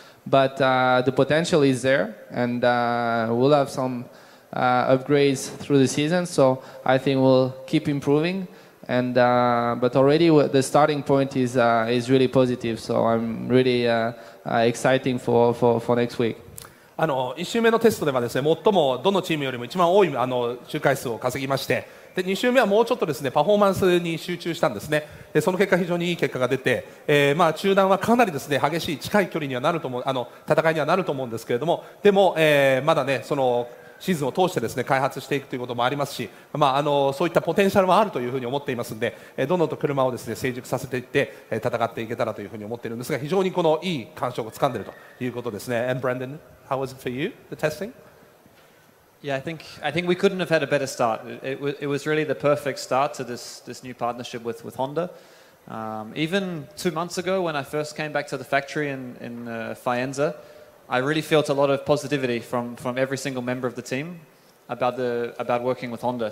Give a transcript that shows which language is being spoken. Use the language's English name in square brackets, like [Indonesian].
[English] But the potential is there, and we'll have some upgrades through the season. So I think we'll keep improving. And, but already the starting point is really positive, so I'm really exciting for next week. [Japanese] 1周目のテストではですね、最もどのチームよりも一番多い周回数を稼ぎまして、で2周目はもうちょっとですね、パフォーマンスに集中したんですね。でその結果非常にいい結果が出て、まあ中段はかなりですね、激しい近い距離にはなると思う、戦いにはなると思うんですけれども、でも、まだね、そのシーズンを通してですね、開発していくということもありますし、まあ、そういったポテンシャルはあるというふうに思っていますので、どんどんと車をですね、成熟させていって、戦っていけたらというふうに思っているんですが、非常にこのいい感触をつかんでいるということですね。 [English] And Brendan, how was it for you, the testing? Yeah, I think we couldn't have had a better start. It was really the perfect start to this new partnership with Honda. Even 2 months ago, when I first came back to the factory in Faenza,I really felt a lot of positivity from every single member of the team about working with Honda.